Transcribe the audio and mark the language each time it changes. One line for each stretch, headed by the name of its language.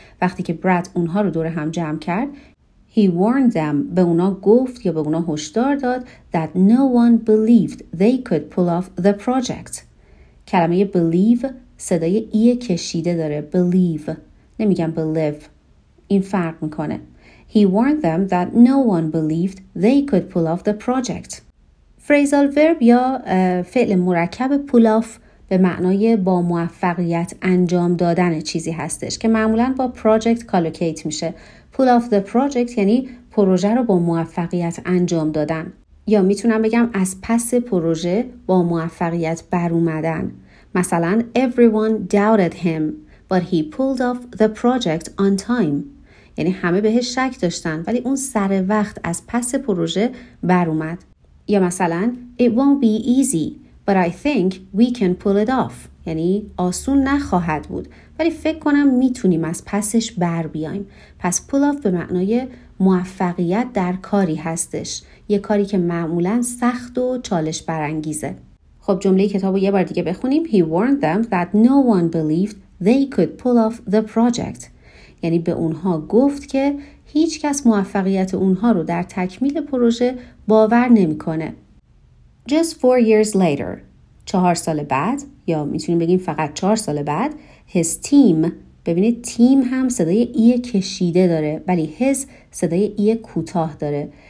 Persian: وقتی که Brad اونها رو دور هم جمع کرد،
English: He warned them
Persian: به اونا گفت یا به اونا هشدار داد
English: that no one believed they could pull off the project.
Persian: کلمه believe صدای ای کشیده داره. Believe. نمیگم believe. این فرق میکنه.
English: He warned them that no one believed they could pull off the project.
Persian: Phrasal verb یا فعل مرکب pull off به معنای با موفقیت انجام دادن چیزی هستش که معمولا با project collocate میشه.
English: Pull off the project
Persian: یعنی پروژه رو با موفقیت انجام دادن. یا میتونم بگم از پس پروژه با موفقیت بر اومدن.
English: مثلا everyone doubted him but he pulled off the project on time.
Persian: یعنی همه بهش شک داشتن ولی اون سر وقت از پس پروژه بر اومد. یا مثلا
English: it won't be easy but I think we can pull it off.
Persian: یعنی آسون نخواهد بود ولی فکر کنم میتونیم از پسش بر بیایم. پس pull off به معنای موفقیت در کاری هستش. یه کاری که معمولا سخت و چالش برانگیزه. خب جمله کتابو یه بار دیگه بخونیم.
English: He warned them that no one believed they could pull off the project.
Persian: یعنی به اونها گفت که هیچ کس موفقیت اونها رو در تکمیل پروژه باور نمیکنه.
English: Just 4 years later.
Persian: 4 سال بعد، یا میتونیم بگیم فقط 4 سال بعد،
English: his team،
Persian: ببینید تیم هم صدای ای کشیده داره ولی his صدای ای کوتاه داره.